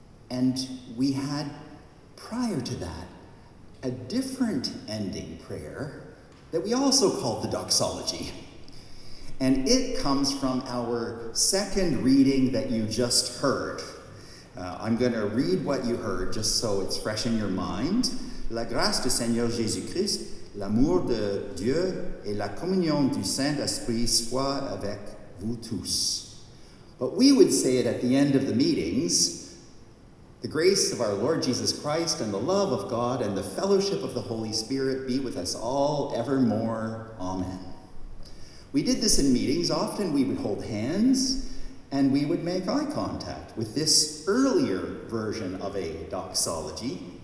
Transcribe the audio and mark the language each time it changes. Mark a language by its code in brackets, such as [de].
[en] And we had, prior to that, a different ending prayer that we also called the doxology. And it comes from our second reading that you just heard. I'm going to read what you heard, just so it's fresh in your mind. [fr] La grâce du Seigneur Jésus-Christ, l'amour de Dieu et la communion du Saint-Esprit soit avec vous tous. [en] But we would say it at the end of the meetings, the grace of our Lord Jesus Christ and the love of God and the fellowship of the Holy Spirit be with us all evermore. Amen. We did this in meetings. Often we would hold hands, and we would make eye contact with this earlier version of a doxology.